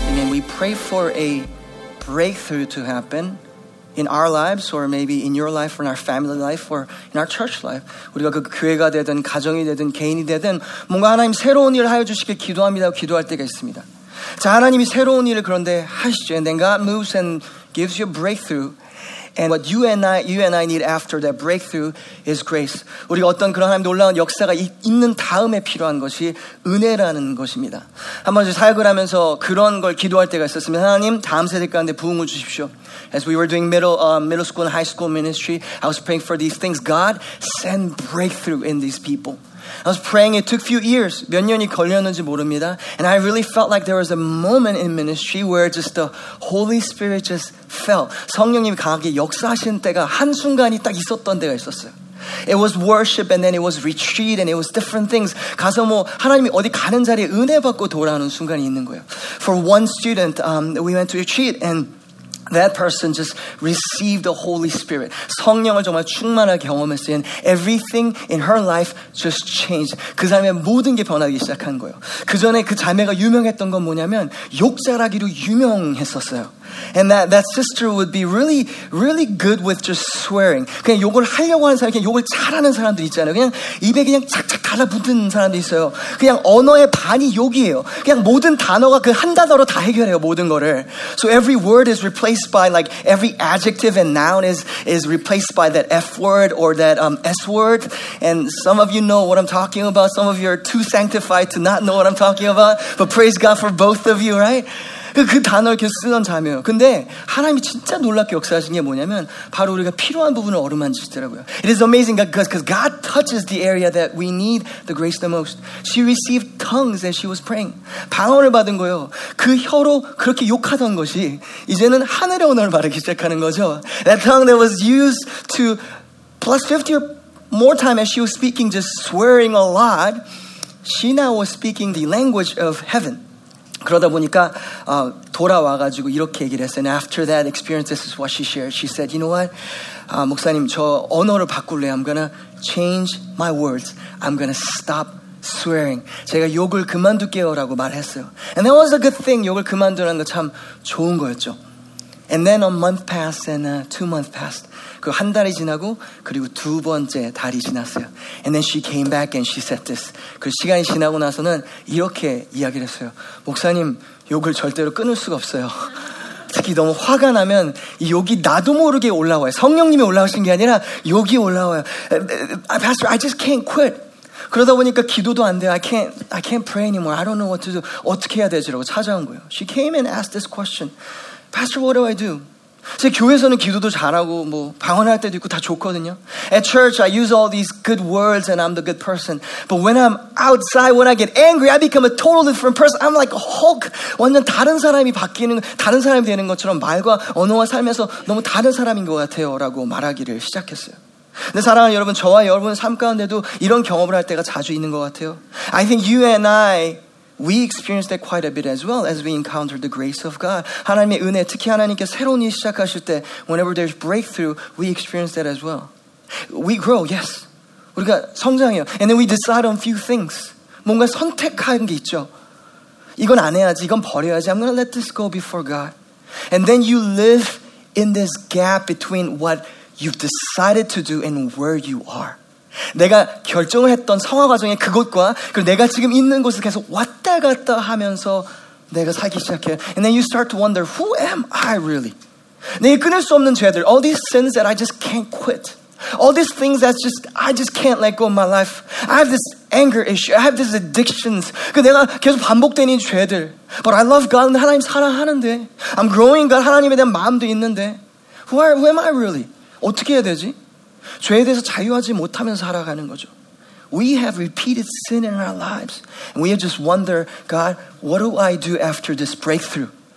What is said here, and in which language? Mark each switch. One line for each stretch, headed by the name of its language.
English: we pray for a breakthrough to happen in our lives or maybe in your life or in our family life or in our church life.
Korean: 우리가 그 교회가 되든 가정이 되든 개인이 되든 뭔가 하나님 새로운 일을 하여 주시길 기도합니다. 기도할 때가 있습니다. 자, 하나님이 새로운 일을 그런데 하시죠.
English: And then God moves and gives you a breakthrough. And what you and I need after that breakthrough is grace.
Korean: 우리가 어떤 그런 하나님 놀라운 역사가 있는 다음에 필요한 것이 은혜라는 것입니다. 한번 사역을 하면서 그런 걸 기도할 때가 있었습니다. 하나님, 다음 세대 가운데 부흥을 주십시오.
English: As we were doing middle school and high school ministry, I was praying for these things. God, send breakthrough in these people. I was praying. It took a few years.
Korean: 몇 년이 걸렸는지 모릅니다.
English: And I really felt like there was a moment in ministry where just the Holy Spirit just fell.
Korean: 성령님이 강하게 역사하신 때가 한순간이 딱 있었던 때가 있었어요.
English: It was worship and then it was retreat and it was different things.
Korean: 가서 뭐 하나님이 어디 가는 자리에 은혜 받고 돌아오는 순간이 있는 거예요.
English: For one student, we went to retreat and that person just received the Holy Spirit.
Korean: 성령을 정말 충만하게 경험했어요.
English: And everything in her life just changed.
Korean: 그 사람의 모든 게 변하기 시작한 거예요. 그 전에 그 자매가 유명했던 건 뭐냐면 욕자라기로 유명했었어요.
English: And that sister would be really, really good with just swearing.
Korean: 그냥 욕을 하려고 하는 사람, 그냥 욕을 잘하는 사람들 있잖아요. 그냥 입에 그냥 착착 달라붙는 사람들 있어요. 그냥 언어의 반이 욕이에요. 그냥 모든 단어가 그 한 단어로 다 해결해요, 모든 거를.
English: So every word is replaced by, like, every adjective and noun is replaced by that F word or that S word. And some of you know what I'm talking about. Some of you are too sanctified to not know what I'm talking about. But praise God for both of you, right?
Korean: 그 단어를 계속 쓰던 자매예요. 근데 하나님이 진짜 놀랍게 역사하신 게 뭐냐면 바로 우리가 필요한 부분을 어루만지시더라고요.
English: It is amazing because God touches the area that we need the grace the most. She received tongues as she was praying.
Korean: 방언을 받은 거예요. 그 혀로 그렇게 욕하던 것이 이제는 하늘의 언어를 바르기 시작하는 거죠.
English: That tongue that was used to plus 50 or more time as she was speaking, just swearing a lot, she now was speaking the language of heaven.
Korean: 그러다 보니까 돌아와가지고 이렇게 얘기를 했어요.
English: And after that experience, this is what she shared. She said, you know what?
Korean: 목사님, 저 언어를 바꿀래요.
English: I'm gonna change my words. I'm gonna stop swearing.
Korean: 제가 욕을 그만둘게요 라고 말했어요.
English: And that was a good thing.
Korean: 욕을 그만두라는 거 참 좋은 거였죠.
English: And then a month passed and two months passed.
Korean: 그 한 달이 지나고 그리고 두 번째 달이 지났어요.
English: And then she came back and she said this.
Korean: 그 시간이 지나고 나서는 이렇게 이야기를 했어요. 목사님, 욕을 절대로 끊을 수가 없어요. 특히 너무 화가 나면 욕이 나도 모르게 올라와요. 성령님이 올라오신 게 아니라 욕이 올라와요.
English: Pastor, I just can't quit.
Korean: 그러다 보니까 기도도 안 돼요.
English: I can't pray anymore. I don't know what to do.
Korean: 어떻게 해야 되지?
English: 라고 찾아온 거예요. She came and asked this question. Pastor, what do I do?
Korean: 제 교회에서는 기도도 잘하고 뭐 방언할 때도 있고 다 좋거든요.
English: At church, I use all these good words and I'm the good person. But when I'm outside, when I get angry, I become a totally different person. I'm like a Hulk.
Korean: 완전 다른 사람이 바뀌는, 다른 사람이 되는 것처럼 말과 언어와 삶에서 너무 다른 사람인 것 같아요. 라고 말하기를 시작했어요. 근데 사랑하는 여러분, 저와 여러분 삶 가운데도 이런 경험을 할 때가 자주 있는 것 같아요.
English: I think you and I, we experience that quite a bit as well as we encounter the grace of God.
Korean: 하나님의 은혜, 특히 하나님께 새로운 일 시작하실 때
English: whenever there's breakthrough, we experience that as well. We grow, yes.
Korean: 우리가 성장해요.
English: And then we decide on few things.
Korean: 뭔가 선택하는 게 있죠. 이건 안 해야지, 이건 버려야지.
English: I'm going to let this go before God. And then you live in this gap between what you've decided to do and where you are.
Korean: 내가 결정을 했던 성화 과정의 그곳과 그리고 내가 지금 있는 곳을 계속 왔다 갔다 하면서 내가 살기 시작해요.
English: And then you start to wonder, who am I really?
Korean: 내가 끊을 수 없는 죄들,
English: all these sins that I just can't quit. All these things that just, I just can't let go of my life. I have this anger issue, I have these addictions.
Korean: 그 내가 계속 반복되는 죄들.
English: But I love God,
Korean: 하나님 사랑하는데.
English: I'm growing God,
Korean: 하나님에 대한 마음도 있는데.
English: Who am I really?
Korean: 어떻게 해야 되지? 죄에 대해서 자유하지 못하면서 살아가는 거죠.
English: We have repeated sin in our lives. And we just wonder, God, what do I do after this breakthrough?